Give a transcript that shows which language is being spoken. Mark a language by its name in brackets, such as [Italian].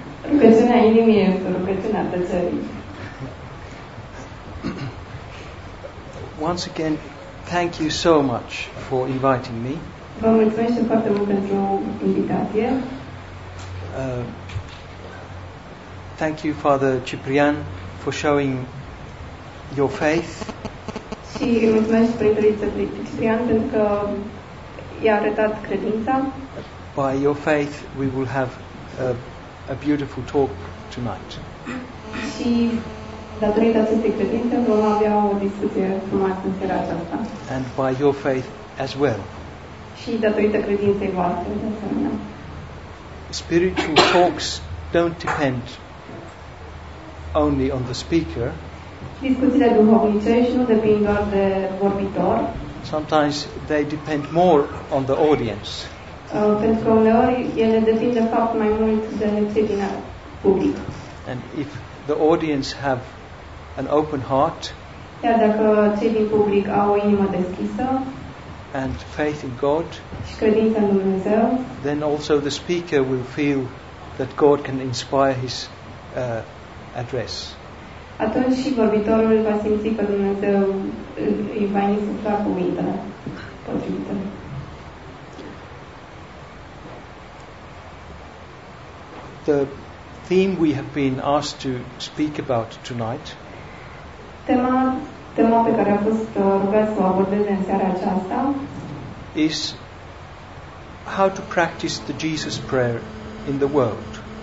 [Romanian] Rugăciunea inimii e rugăciunea tăcerii. [English] Once again, thank you so much for inviting me. [Romanian] Vă mulțumesc foarte mult pentru invitație. [English] Thank you, Father Ciprian, for showing your faith. [Romanian] Și mulțumesc Părintele Ciprian pentru că i-a arătat credința. [English] By your faith, we will have a beautiful talk tonight. [Romanian] Și datorită acestei credințe vom avea o discuție frumoasă în seara aceasta. [English] And by your faith as well. [Romanian] Și datorită credinței voastre de asemenea. [English] Spiritual talks don't depend only on the speaker. [Romanian] Discuțiile duhovnicești nu depind doar de vorbitor. [English] Sometimes they depend more on the audience. [Romanian] Pentru că uneori ele depind de fapt mai mult de cei din public. [English] And if the audience have an open heart, [Romanian] iar dacă cei din public au o inimă deschisă, [English] and faith in God, [Romanian] și credința în Dumnezeu, [English] then also the speaker will feel that God can inspire his address. [Romanian] Atunci și vorbitorul va simți că Dumnezeu îi va insufla cuvintele potrivite. [English] The theme we have been asked to speak about tonight. [Romanian] Tema pe care am fost rugat să o abordez în seara aceasta [English] is how to practice the Jesus prayer in the world.